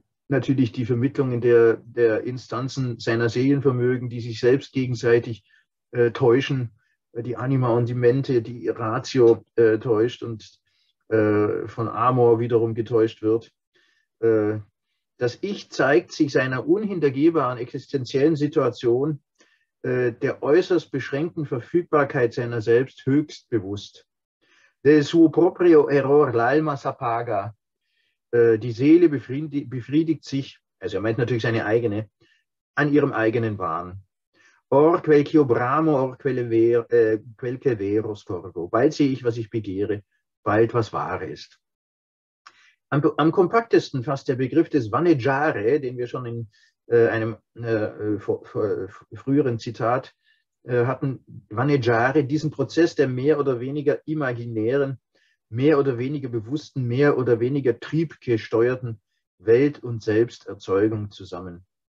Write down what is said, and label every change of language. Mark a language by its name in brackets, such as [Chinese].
[German] natürlich die Vermittlungen der Instanzen seiner Seelenvermögen, die sich selbst gegenseitig täuschen, die Anima und die Mente, die Ratio täuscht und von Amor wiederum getäuscht wird. Das Ich zeigt sich seiner unhintergehbaren existenziellen Situation der äußerst beschränkten Verfügbarkeit seiner selbst höchst bewusst. [Italian] De suo proprio error l'alma s'appaga. [German] Die Seele befriedigt sich, also er meint natürlich seine eigene, an ihrem eigenen Wahn. [Italian] Or quel che bramo, or quel che vero scorgo. [German] Bald sehe ich, was ich begehre, bald was wahr ist. Am kompaktesten fasst der Begriff des Vaneggiare, den wir schon in einem früheren Zitat hatten, Vaneggiare, diesen Prozess der mehr oder weniger imaginären, mehr oder weniger bewussten, mehr oder weniger triebgesteuerten Welt- und Selbsterzeugung zusammen.